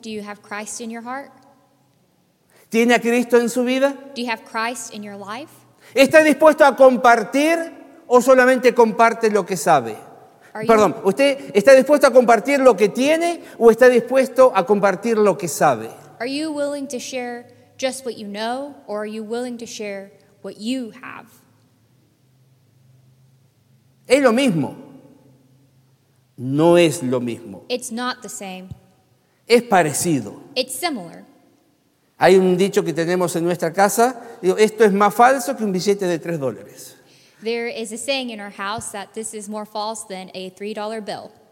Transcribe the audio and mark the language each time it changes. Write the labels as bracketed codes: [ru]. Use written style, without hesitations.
[en] Do you have Christ in your heart? [es] ¿Tiene a Cristo en su vida? [en] Do you have Christ in your life? [es] ¿Está dispuesto a compartir o solamente comparte lo que sabe? Perdón, ¿usted está dispuesto a compartir lo que tiene o está dispuesto a compartir lo que sabe? [en] Are you willing to share just what you know, or are you willing to share what you have? [es] Es lo mismo. No es lo mismo. [en] It's not the same. [es] Es parecido. [en] It's similar. [es] Hay un dicho que tenemos en nuestra casa. Digo, esto es más falso que un billete de $3. [en] There is a saying in our house that this is more false than a $3 bill.